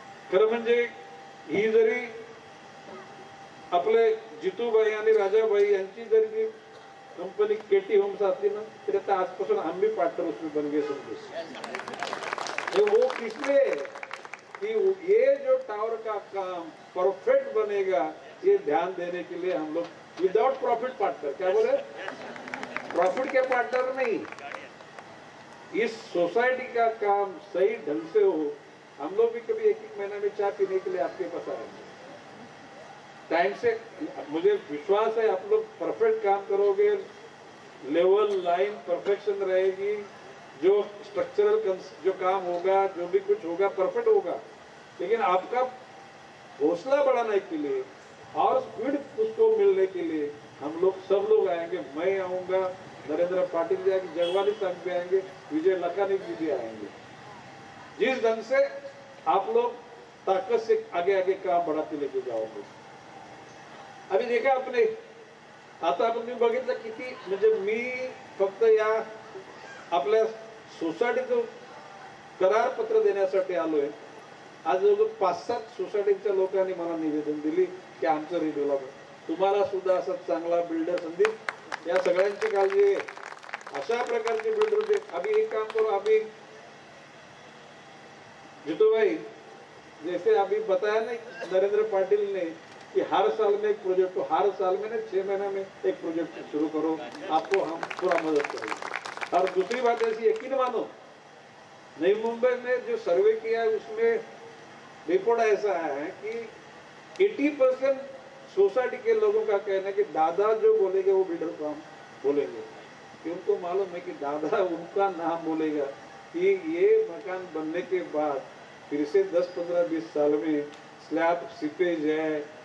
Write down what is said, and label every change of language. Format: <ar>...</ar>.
<mr>खरं म्हणजे ही जरी आपले जितूबाई आणि राजाबाई यांची जरी ती कंपनी केटी होम्स असती ना, तरी आता आजपासून आम्ही पार्टनर असतो बनगे समजूस.</mr> <hi>वो किसले कि ये जो टावर का काम परफेक्ट बनेगा, ये ध्यान देने के लिए हम लोग विदाउट प्रॉफिट पार्टनर, क्या बोले, प्रॉफिट के पार्टनर नहीं, इस सोसाइटी का काम सही ढंग से हो, हम लोग भी कभी एक एक महीना में चाय पीने के लिए आपके पास आएंगे. टाइम से मुझे विश्वास है आप लोग परफेक्ट काम करोगे, लेवल लाइन परफेक्शन रहेगी, जो स्ट्रक्चरल जो काम होगा, जो भी कुछ होगा परफेक्ट होगा. लेकिन आपका हौसला बढ़ाने के लिए और स्पीड उसको मिलने के लिए हम लोग सब लोग आएंगे. मैं आऊंगा, नरेंद्र पाटिल जी आएंगे, जगवानी साहब भी आएंगे, विजय लखानी जी भी आएंगे. जिस ढंग से आप लोग ताकत से आगे आगे काम बढ़ाते लेके जाओगे. अभी देखा अपने,</hi> <mr>आता अपन भी बगित किती, म्हणजे मी फक्त या आपल्या सोसायटीचं करार पत्र देण्यासाठी आलोय. आज जवळजवळ 5-7 सोसायटीच्या लोकांनी मला निवेदन दिली की आमचं रिडेव्हलपमेंट, तुम्हाला सुद्धा असा चांगला बिल्डर संदीप, या सगळ्यांची काळजी आहे, अशा प्रकारचे बिल्डर होते.</mr> <hi>अभी एक काम करू, अभी जितूभाई जैसे अभी बताया ना नरेंद्र पाटील ने कि हर साल में एक प्रोजेक्ट हो, हर साल में ना 6 महीना में एक प्रोजेक्ट शुरू करो, आपको हम पूरा मदद करेंगे. और दूसरी बात ऐसी, यकीन मानो नई मुंबई में जो सर्वे किया उसमें रिपोर्ट ऐसा आया है कि 80% सोसाइटी के लोगों का कहना है कि दादा जो बोलेंगे वो बिल्डर को हम बोलेंगे, कि उनको मालूम है कि दादा उनका नाम बोलेगा कि ये मकान बनने के बाद फिर से 10-15-20 साल में स्लैब सिपेज है,</hi>